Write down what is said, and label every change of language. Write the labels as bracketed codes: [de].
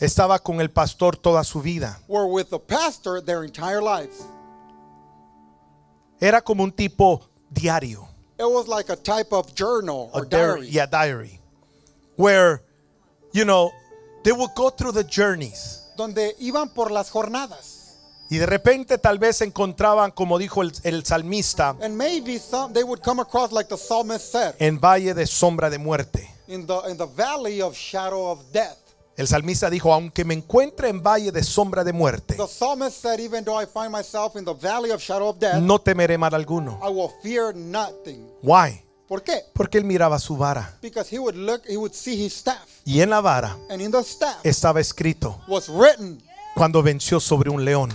[es] Estaba con el pastor toda su vida. [en] Were with the pastor their entire lives. [es] Era como un tipo diario. [en] It was like a type of journal or diary. Yeah, diary. Where, you know, they would go through the journeys. [es] Donde iban por las jornadas. Y de repente tal vez se encontraban, como dijo el salmista, [en] and maybe some, they would come across like the psalmist said, [es] en valle de sombra de muerte. [en] In the valley of shadow of death. [es] El salmista dijo, aunque me encuentre en valle de sombra de muerte, [en] the psalmist said, even though I find myself in the valley of shadow of death, [es] no temeré mal alguno. [en] I will fear nothing. Why? [es] ¿Por qué? Porque él miraba su vara. [en] Because he would look, he would see his staff. [es] Y en la vara, [en] and in the staff, [es] estaba escrito, [en] was written, [es] cuando venció sobre un león.